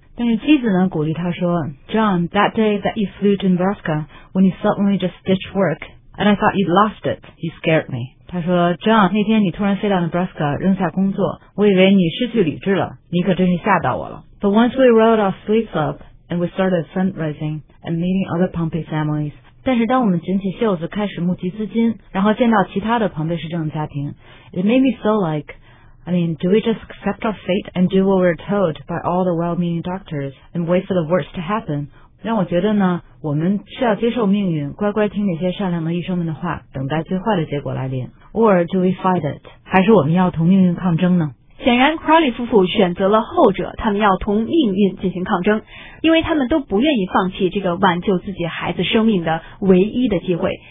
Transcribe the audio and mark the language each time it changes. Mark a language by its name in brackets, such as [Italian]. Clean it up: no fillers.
[Chinese] 但是妻子呢鼓励他说 ， [English] John, that day that you flew to Nebraska when you suddenly just ditched work and I thought you'd lost it, you scared me. [Chinese] 他说 ，John, 那天你突然飞到 Nebraska 扔下工作，我以为你失去理智了，你可真是吓到我了。 [English] But once we rolled our sleeves up. And we started fundraising and meeting other Pompe families. [Chinese] 但是当我们卷起袖子开始募集资金，然后见到其他的庞贝氏症家庭 [English] ，It made me feel like, I mean, do we just accept our fate and do what we're told by all the well-meaning doctors and wait for the worst to happen? [Chinese] 让我觉得呢，我们是要接受命运，乖乖听那些善良的医生们的话，等待最坏的结果来临。 [English] Or do we fight it? [Chinese] 还是我们要同命运抗争呢？显然 ，Crowley 夫妇选择了后者，他们要同命运进行抗争，因为他们都不愿意放弃这个挽救自己孩子生命的唯一的机会。